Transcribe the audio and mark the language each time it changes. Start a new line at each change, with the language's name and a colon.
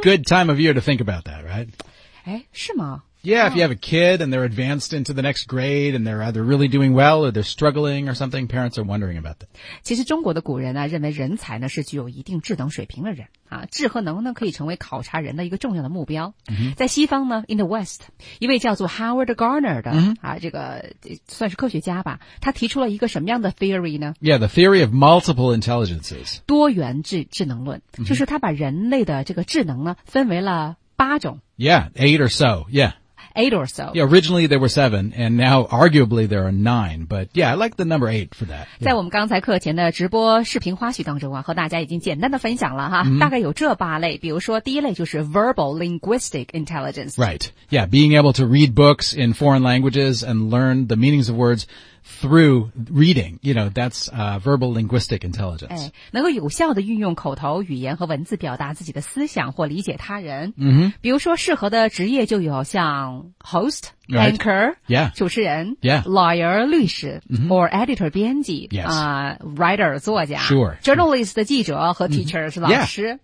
English: Good time of year to think about that, right?
Chinese: 诶，是吗？
English: Yeah, if you have a kid and they're advanced into the next grade and they're either really doing well or they're struggling or something, parents are wondering about that.
Chinese: 其实中国的古人呢认为人才呢是具有一定智能水平的人啊，智和能呢可以成为考察人的一个重要的目标。 Mm-hmm. 在西方呢 ,
English: in the West,
Chinese: 一位叫做 Howard Gardner 的、 mm-hmm. 啊这个算是科学家吧，他提出了一个什么样的 theory 呢？
English: Yeah, the theory of multiple intelligences.
Chinese: 多元智能论、
English: mm-hmm.
Chinese: 就是他把人类的这个智能呢分为了八种。
English: Yeah, eight or so, yeah. Eight or so. Yeah, originally there were seven, and now arguably there are nine, but yeah, I like the number eight for that.
Chinese: 在我们刚才课前的直播视频花絮当中啊，和大家已经简单的分享了哈、 mm-hmm. 大概有这八类，比如说第一类就是
English: verbal linguistic intelligence. Right. Yeah, being able to read books in foreign languages and learn the meanings of words through reading, you know, that's verbal linguistic intelligence.
Chinese: 哎，能够有效地运用口头语言和文字表达自己的思想或理解他人。嗯、mm-hmm. 比如说适合的职业就有像 host,、
English: right. anchor,、 yeah.
Chinese: 主持人、
English: yeah. lawyer, 律师、 mm-hmm. or editor, 编辑、 yes. Writer, 作家、 sure.
Chinese: journalist,、mm-hmm. 记者和 teacher,、mm-hmm. 是老师、